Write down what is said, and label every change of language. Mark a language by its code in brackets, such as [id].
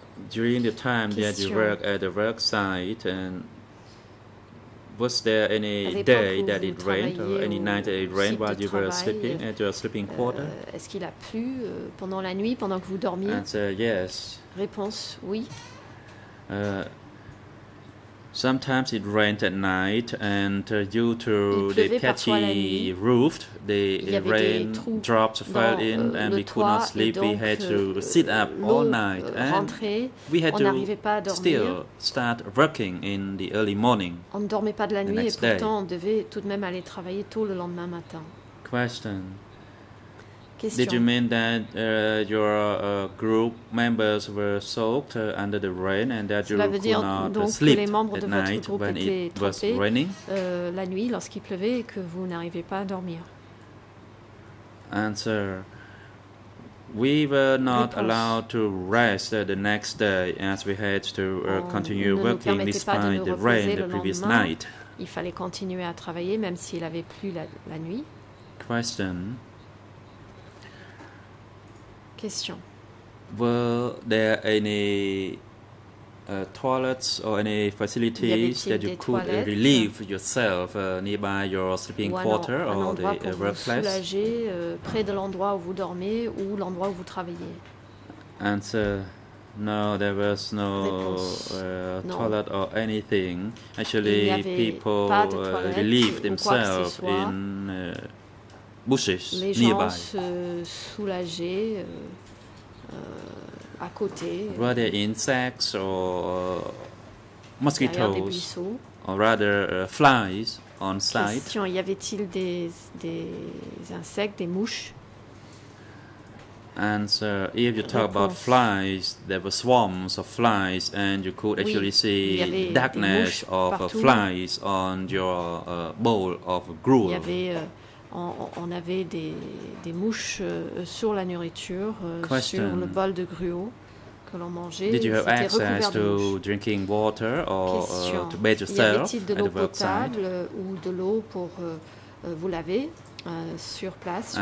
[en] During the time that you work at the work site and was there any day that it rained or any night that it rained while you were sleeping at your sleeping quarter? [fr] Est-ce qu'il a plu pendant la nuit pendant que vous dormiez? [en] Answer, yes. [fr] Réponse, oui. [en] Sometimes it rained at night and due to the patchy roof, the rain drops fell in and we could not sleep. We had to sit up all night and we had to still start working in the early morning. [fr] On ne dormait pas de la nuit et pourtant on devait tout de même aller travailler tôt le lendemain matin. [en] Question. Did you mean that your group members were soaked under the rain and that you could not sleep at night when it was raining? [fr] La nuit lorsqu'il pleuvait et que vous n'arrivez pas à dormir. [en] Answer. We were not allowed to rest the next day as we had to continue working despite the rain the previous night. [fr] Il fallait continuer à travailler même s'il avait plu la nuit. [en] Question. Question. Were there any toilets or any facilities that you could relieve yourself nearby your sleeping quarter or the workplace? [fr] Pour vous soulager près de l'endroit où vous dormez ou l'endroit où vous travaillez. [en] Answer. No, there was no toilet or anything. Actually, people relieved themselves in bushes nearby. [fr] Les gens se soulageaient. À côté. [en] Were there insects or mosquitoes, or rather flies on site? [fr] Question, y avait-il des insectes, des mouches? [en] Answer, if you talk about flies, there were swarms of flies and you could actually see darkness of flies on your bowl of gruel. [fr] Y avait, on avait des mouches sur la nourriture, question. Sur le bol de gruau que l'on mangeait. [en] Did you have access to drinking water or to bathe yourself at the work site? [fr] Y avait-il de l'eau potable ou de l'eau pour vous laver sur place, sur